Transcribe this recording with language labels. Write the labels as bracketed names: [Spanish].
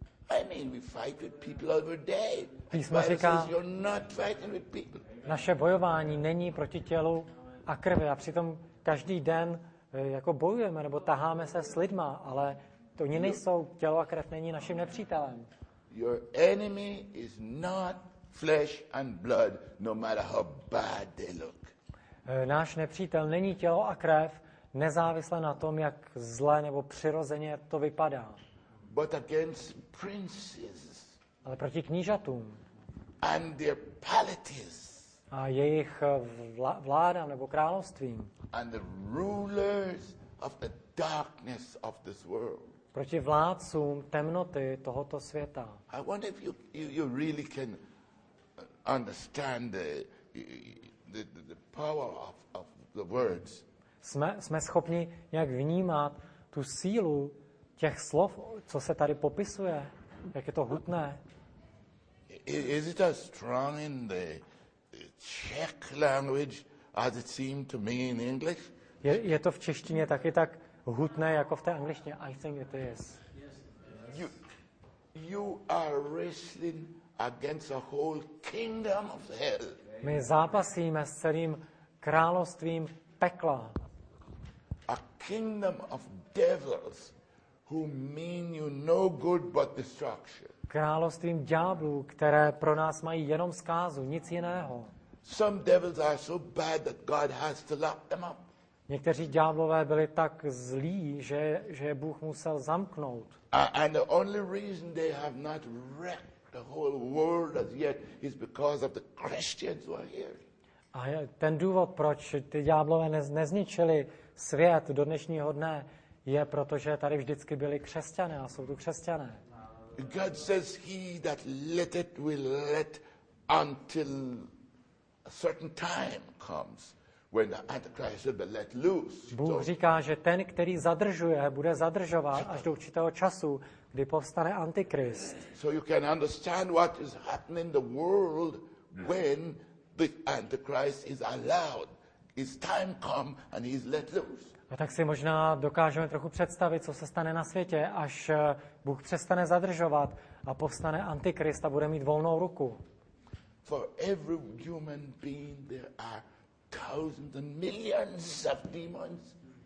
[English] I mean, we fight with people every day. [Czech] Písmo říká, [English] you're not fighting with people. [Czech] Naše bojování není proti tělu a krvi, a přitom každý den jako bojujeme nebo taháme se s lidma, ale to oni nejsou, tělo a krev není naším nepřítelem. [English] Your enemy is not flesh and blood, no matter how bad they look. [Czech] Náš nepřítel není tělo a krev, nezávisle na tom, jak zle nebo přirozeně to vypadá. [English] But against princes. [Czech] Ale proti knížatům. [English] And their polities. [Czech] A jejich vládám nebo královstvím. [English] And the rulers of the darkness of this world. [Czech] Proti vládcům temnoty tohoto světa. [English] I wonder if you really can understand the power of the words. [Czech] Jsme schopni nějak vnímat tu sílu těch slov, co se tady popisuje, jak je to hutné. [English] Is it as strong in the Czech language as it seemed to me in English? [Czech] Je to v češtině taky tak hutné jako v té angličtině? [English] I think it is. Yes. You are wrestling against a whole kingdom of hell. [Czech] My zápasíme s celým královstvím pekla. [English] A kingdom of devils who mean you no good but destruction. [Czech] Královstvím ďáblů, které pro nás mají jenom zkázu, nic jiného. [English] Some devils are so bad that God has to lock them up. [Czech] Někteří ďáblové byli tak zlí, že je Bůh musel zamknout. [English] And the only reason they have not wrecked the whole world as yet is because of the Christians who are here. [Czech] A ten důvod, proč ty ďáblové nezničili svět do dnešního dne, je proto, že tady vždycky byli křesťané a jsou tu křesťané. [English] God says he that let it will let until a certain time comes when the Antichrist will be let loose. [Czech] Bůh říká, že ten, který zadržuje, bude zadržovat až do určitého času, kdy povstane Antikrist. [English] So you can understand what is happening in the world when the Antichrist is allowed. His time come and he's let loose. [Czech] A tak si možná dokážeme trochu představit, co se stane na světě, až Bůh přestane zadržovat a povstane Antikrist a bude mít volnou ruku. [English] For every human being there are thousands and millions of demons.